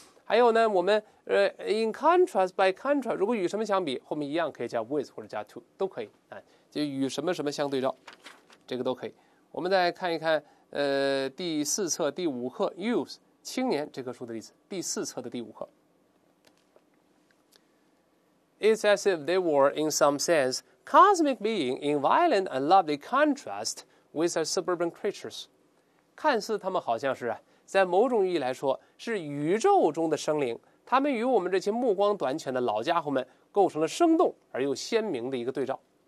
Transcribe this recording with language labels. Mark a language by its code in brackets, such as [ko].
[zh] 还有呢，我们 [en] in contrast by contrast， [zh] 如果与什么相比，后面一样可以加 with 或者加 to 都可以啊，就与什么什么相对照，这个都可以。我们再看一看第四册第五课 youth 青年这棵树的例子，第四册的第五课。 [en] It's as if they were, in some sense, cosmic being in violent and lovely contrast with our suburban creatures. [zh] 看似他们好像是。在某种意义来说是宇宙中的生灵，他们与我们这些目光短浅的老家伙们构成了生动而又鲜明的一个对照。